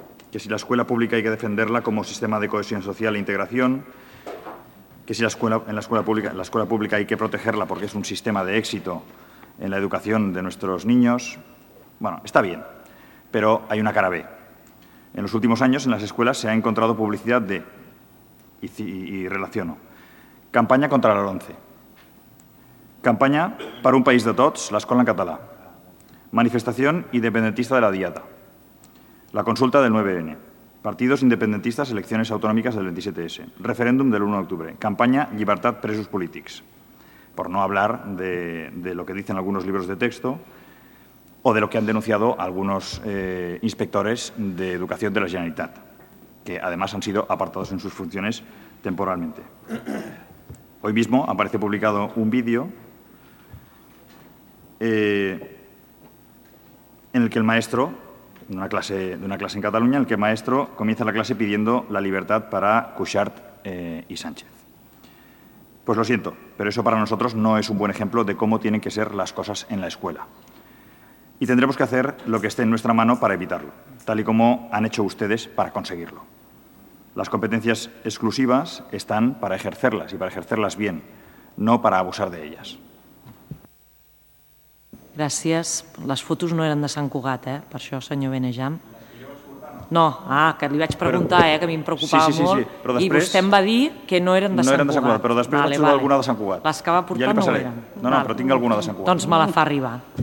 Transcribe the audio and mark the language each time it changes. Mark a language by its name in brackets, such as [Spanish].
[Spanish] Que si la escuela pública hay que defenderla como sistema de cohesión social e integración, que si la escuela pública hay que protegerla porque es un sistema de éxito en la educación de nuestros niños, bueno, está bien, pero hay una cara B. En los últimos años en las escuelas se ha encontrado publicidad de... Y relaciono. Campaña contra la LOMCE. Campaña para un país de tots, l'escola en català. Manifestación independentista de la Diada. La consulta del 9N. Partidos independentistas, elecciones autonómicas del 27S. Referéndum del 1 de octubre. Campaña Libertad presos polítics. Por no hablar de lo que dicen algunos libros de texto o de lo que han denunciado algunos inspectores de educación de la Generalitat, que además han sido apartados en sus funciones temporalmente. Hoy mismo aparece publicado un vídeo en el que el maestro, de una clase en Cataluña, en el que el maestro comienza la clase pidiendo la libertad para Cuixart y Sánchez. Pues lo siento, pero eso para nosotros no es un buen ejemplo de cómo tienen que ser las cosas en la escuela. Y tendremos que hacer lo que esté en nuestra mano para evitarlo, tal y como han hecho ustedes para conseguirlo. Las competencias exclusivas están para ejercerlas y para ejercerlas bien, no para abusar de ellas. [Catalan] Gràcies. Les fotos no eren de Sant Cugat, per això, senyor Benejam. No, que li vaig preguntar, que a mi em preocupava molt. Però després, i vostè em va dir que no eren de Sant Cugat. No eren de Sant Cugat, però després vaig trobar alguna de Sant Cugat. Les que va portar ja no eren. No, però tinc alguna de Sant Cugat. Doncs me la fa arribar.